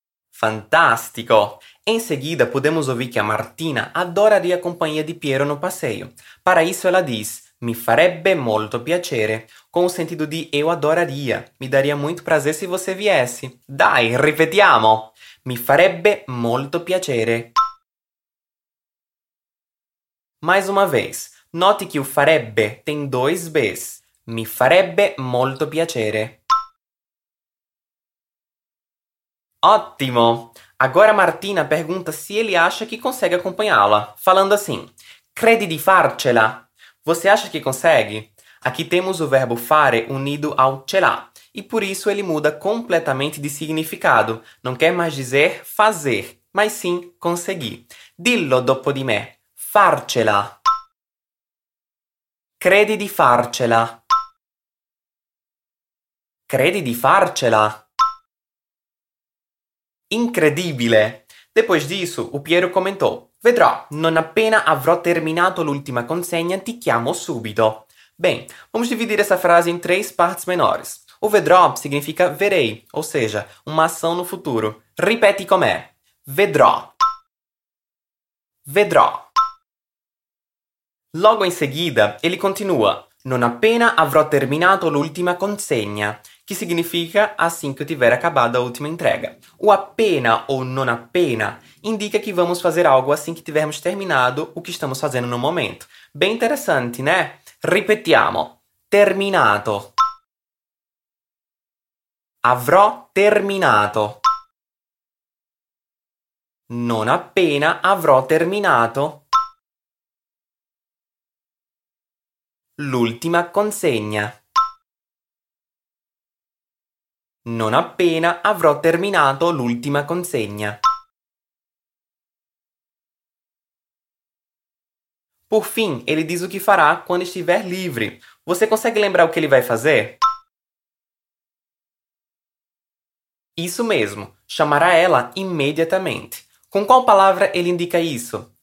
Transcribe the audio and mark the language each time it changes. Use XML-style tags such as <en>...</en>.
<pt>Fantástico! Em seguida, podemos ouvir que a Martina adoraria a companhia de Piero no passeio. Para isso, ela diz,</pt> <it>mi farebbe molto piacere,</it> <pt>com o sentido de eu adoraria, me daria muito prazer se você viesse.</pt> <it>Dai, ripetiamo! Mi farebbe molto piacere.</it> <pt>Mais uma vez, note que o farebbe tem dois Bs.</pt> <it>Mi farebbe molto piacere.</it> <pt>Ótimo! Agora Martina pergunta se ele acha que consegue acompanhá-la, falando assim,</pt> <it>credi di farcela?</it> <pt>Você acha que consegue? Aqui temos o verbo fare unido ao celà, e por isso ele muda completamente de significado. Não quer mais dizer fazer, mas sim conseguir.</pt> <it>Dillo dopo di me, farcela. Credi di farcela. Credi di farcela. Incredibile!</it> <pt>Depois disso, o Piero comentou,</pt> <it>vedrò, non appena avrò terminato l'ultima consegna, ti chiamo subito.</it> <pt>Bem, vamos dividir essa frase em três partes menores. O vedrò significa verei, ou seja, uma ação no futuro.</pt> <it>Ripeti com me. Vedrò. Vedrò.</it> <pt>Logo em seguida, ele continua,</pt> <it>non appena avrò terminato l'ultima consegna,</it> <pt>que significa assim que eu tiver acabado a última entrega. O appena ou non appena indica que vamos fazer algo assim que tivermos terminado o que estamos fazendo no momento. Bem interessante, né?</pt> <it>Ripetiamo. Terminato. Avrò terminato. Non appena avrò terminato. L'ultima consegna. Non appena avrò terminato l'ultima consegna.</it> <pt>Por fim, ele diz o que farà quando estiver livre. Você consegue lembrar o que ele vai fazer? Isso mesmo, chamará ela imediatamente. Com qual palavra ele indica isso?</pt>